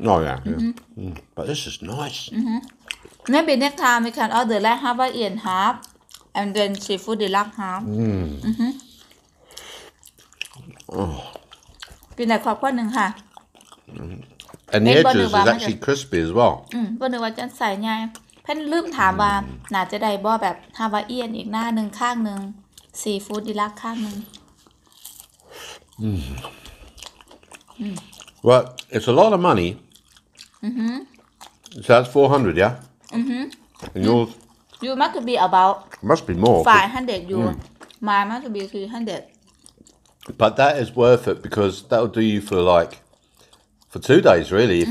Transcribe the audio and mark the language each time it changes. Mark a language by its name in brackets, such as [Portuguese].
[English] Oh, yeah. Mm-hmm. yeah. Mm. But this is nice. Mm-hmm. Maybe next time, we can order like Hawaiian half, and then Seafood Deluxe half. Mm. [Thai] กินแต่ขอบข้อหนึ่งค่ะ [English] and the edges is actually crispy as well [Thai] อืมว่าหนึ่งว่าจะใส่ไงเพิ่นลืมถามว่าน่าจะได้บ่แบบฮาวาเอียนอีกหน้าหนึ่งข้างหนึ่งซีฟู้ดดีลักข้างหนึ่ง [English] ว่า it's a lot of money so that's 400 yeah and yours you must be about must be more 500 you my must be 300 But that is worth it because that'll do you for like for 2 days really if mm-hmm.